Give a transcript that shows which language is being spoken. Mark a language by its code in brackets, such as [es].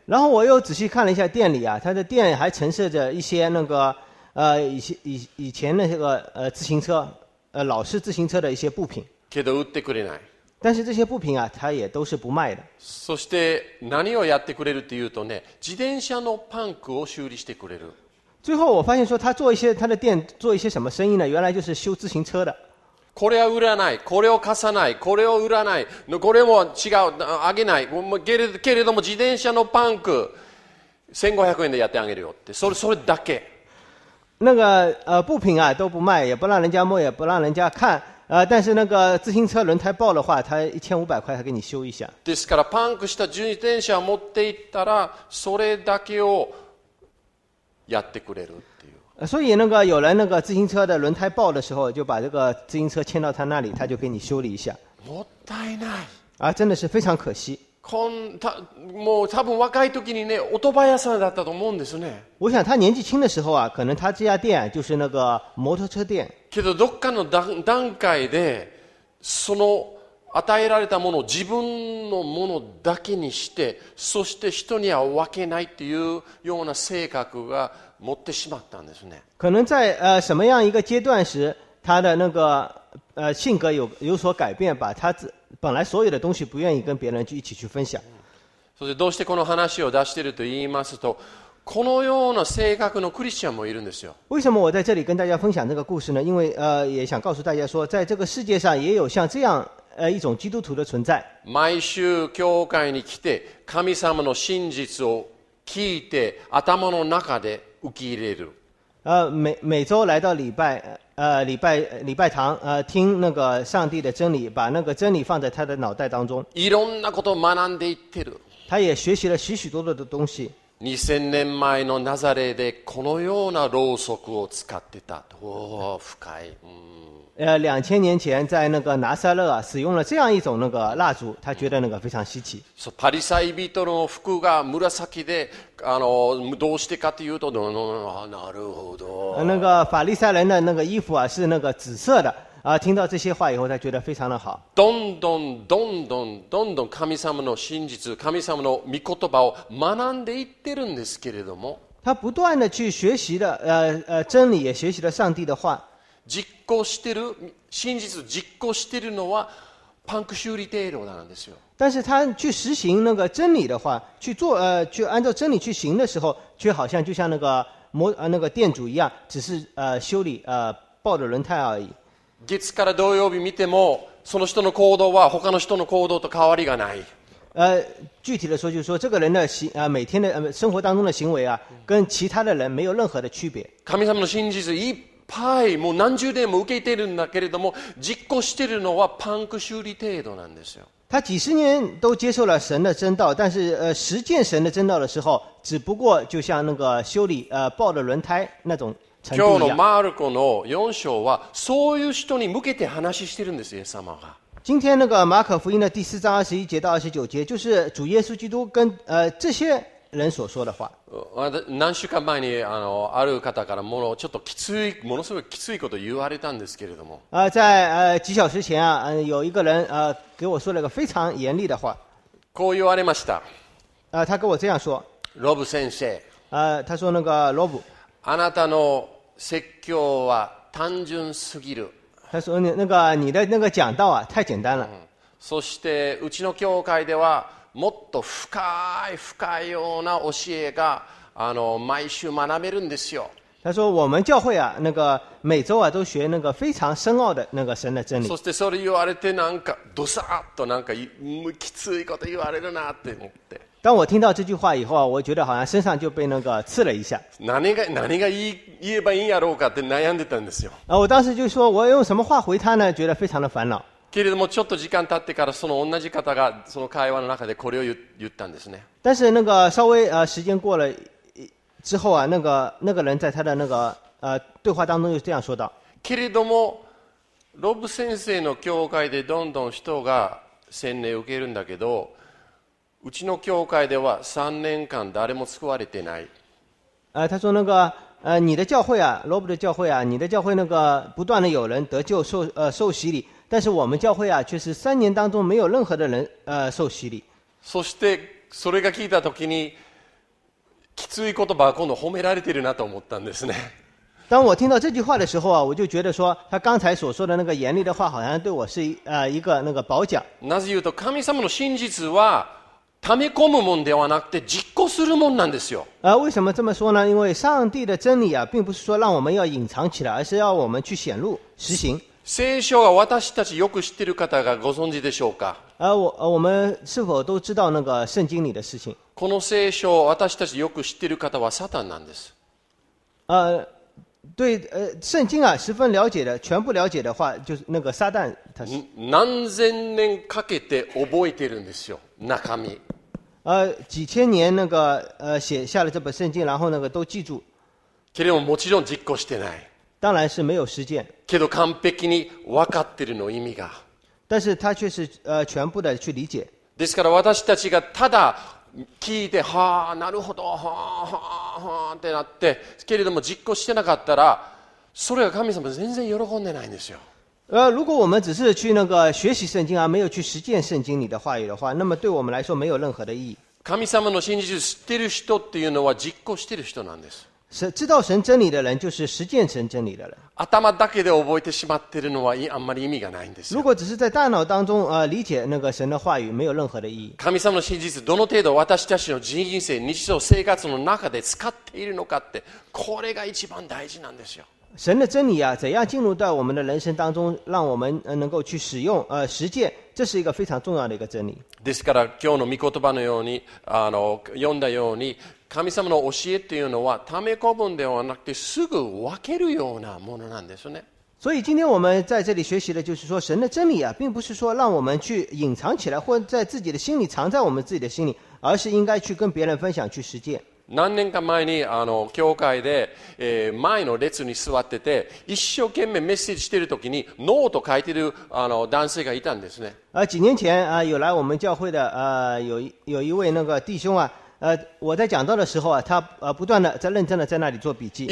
[zh] 然后我又仔细看了一下店里啊，他的店还陈设着一些那个以前的这个自行车老式自行车的一些部品。 [ja] けど売ってくれない。 [zh] 但是这些部品啊，他也都是不卖的。 [ja] そして何をやってくれるっていうとね、自転車のパンクを修理してくれる。 [zh] 最后我发现说他的店做一些什么生意呢？原来就是修自行车的。 [ja] これは売らない、これを貸さない、これを売らない、これも違う、あげない、けれども自転車のパンク、1500円でやってあげるよって、それだけ。 [zh] 那个部品啊都不卖，也不让人家摸，也不让人家看，但是那个自行车轮胎爆的话，他1500块他给你修一下。 [ja] ですからパンクした自転車を持っていったら、それだけをやってくれる。 [zh] 所以那个有人那个自行车的轮胎爆的时候，就把这个自行车牵到他那里，他就给你修理一下。 [ja] もったいない。 [zh] 真的是非常可惜。 [ja] もう多分若い時にね、オートバイ屋さんだったと思うんですね。 [zh] 我想他年纪轻的时候啊，可能他这家店就是那个摩托车店。 [ja] けどどっかの段階で、その与えられたものを自分のものだけにして、そして人には分けないっていうような性格が。持ってしまったんですね。 [zh] 可能在什么样一个阶段时，他的那个性格有所改变，把他本来所有的东西不愿意跟别人一起去分享。 [ja] そしてどうしてこの話を出していると言いますと、このような性格のクリスチャンもいるんですよ。 [zh] 为什么我在这里跟大家分享这个故事呢？因为也想告诉大家说，在这个世界上也有像这样一种基督徒的存在。 [ja] 毎週教会に来て神様の真実を聞いて頭の中で。受け入れる。 [zh] 每周来到礼拜堂，听那个上帝的真理，把那个真理放在他的脑袋当中。 [ja] いろんなことを学んでいってる。 [zh] 他也学习了许许多多的东西。 [ja] 2000年前のナザレでこのようなろうそくを使ってた。おお、深い。 [zh] 2000年前在那个拿撒勒啊，使用了这样一种那个蜡烛，他觉得那个非常稀奇。 [ja] そう、パリサイ人の服が紫で、どうしてかというと、なるほど。 [zh] 那个法利赛人的那个衣服啊是那个紫色的啊，听到这些话以后，他觉得非常的好。 [ja] どんどんどんどんどんどん神様の真実、神様の御言葉を学んでいってるんですけれども、 [zh] 他不断的去学习的真理，也学习了上帝的话。 [ja] 実行してる真実を実行しているのはパンク修理テイローなんですよ。 [zh] 但是他去实行那个真理的话，去做去按照真理去行的时候，却好像就像那个那个店主一样，只是修理爆的轮胎而已。 [ja] 月から土曜日見てもその人の行動は他の人の行動と変わりがない。 [zh] 具体的说就是说这个人的行每天的生活当中的行为啊跟其他的人没有任何的区别。 [ja] 神様の真実いっぱいもう何十年も受けてるんだけれども実行してるのはパンク修理程度なんですよ。 [zh] 他几十年都接受了神的真道，但是实践神的真道的时候，只不过就像那个修理爆的轮胎那种程度一样。 [ja] 今日のマルコの四章はそういう人に向けて話してるんですよ、イエス様が。 [zh] 今天那个马可福音的第四章二十一节到二十九节，就是主耶稣基督跟这些人所说的话。 [ja] 何週間前に ある方からものちょっときついものすごいきついこと言われたんですけれども。 [zh] 在几小时前啊，有一个人给我说了个非常严厉的话。 [ja] こう言われました。 [zh] 他跟我这样说。 [ja] ロブ先生。 [zh] 他说那个ロブ。 [ja] あなたの説教は単純すぎる。 [zh] 他说那个你的那个讲道啊太简单了。 [ja] そしてうちの教会ではもっと深い深いような教えが毎週学べるんですよ。 [zh] 他说我们教会啊那个每周啊都学那个非常深奥的那个神的真理。 [ja] そしてそれ言われてなんかどさっとなんかきついこと言われるなって思って。 [zh] 当我听到这句话以后啊，我觉得好像身上就被那个刺了一下。 [ja] 何が言えばいいやろうかって悩んでたんですよ。 [zh] 我当时就说我用什么话回他呢？觉得非常的烦恼。 [ja] けれどもちょっと時間経ってからその同じ方がその会話の中でこれを言ったんですね。 [zh] 但是那个稍微时间过了之后啊，那个人在他的那个对话当中又这样说道。 [ja] けれどもロブ先生の教会でどんどん人が洗礼受けるんだけど。うちの教会では三年間誰も救われてない。 [zh] 他说那个你的教会啊，罗布的教会啊，你的教会那个不断的有人得救受洗礼，但是我们教会啊，却是三年当中没有任何的人受洗礼。 [ja] そしてそれが聞いた時にきつい言葉は今度褒められてるなと思ったんですね。 [zh] 当我听到这句话的时候啊，我就觉得说他刚才所说的那个严厉的话，好像对我是一个那个褒奖。 [ja] なぜ言うと神様の真実は溜め込むもんではなくて実行するもんなんですよ。 [zh] 为什么这么说呢？因为上帝的真理啊，并不是说让我们要隐藏起来，而是要我们去显露实行。 [ja] 聖書は私たちよく知ってる方がご存知でしょうか？ [zh] 我们是否都知道那个圣经里的事情？ [ja] この聖書を私たちよく知ってる方はサタンなんです。 [zh] 对，圣经啊，十分了解的，全部了解的话，就是那个撒旦，他是 [ja] 何千年かけて覚えてるんですよ、中身。 [zh] 几千年那个写下了这本圣经，然后那个都记住。 [ja] けれどももちろん実行してない。 [zh] 当然是没有实践。 [ja] けど完璧に分かってるの意味が。 [zh] 但是他却是全部的去理解。 [ja] ですから私たちがただ聞いてはあなるほどはあはあはあってなってけれども実行してなかったらそれが神様全然喜んでないんですよ。 [zh] 如果我们只是去那个学习圣经啊，没有去实践圣经里的话语的话，那么对我们来说没有任何的意义。 [ja] 神様の真実を知ってる人っていうのは実行してる人なんです。 [zh] 知道神真理的人就是实践神真理的人。 [ja] 頭だけで覚えてしまってるのはあんまり意味がないんですよ。 [zh] 如果只是在大脑当中理解那个神的话语没有任何的意义。 [ja] 神様の真実どの程度私たちの人生日常生活の中で使っているのかってこれが一番大事なんですよ。 [zh] 神的真理啊，怎样进入到我们的人生当中，让我们能够去使用实践，这是一个非常重要的一个真理。 [ja] ですから今日の御言葉のように読んだように。神様の教えっていうのは溜め込むんではなくてすぐ分けるようなものなんですね。 [zh] 所以今天我们在这里学习的就是说神的真理啊，并不是说让我们去隐藏起来或在自己的心里藏在我们自己的心里，而是应该去跟别人分享去实践。 [ja] 何年か前に教会で、前の列に座ってて一生懸命メッセージしている時にノート書いてる男性がいたんですね。 [zh] 几年前有来我们教会的有一位那个弟兄啊。我在讲到的时候啊，他不断的在认真的在那里做笔记。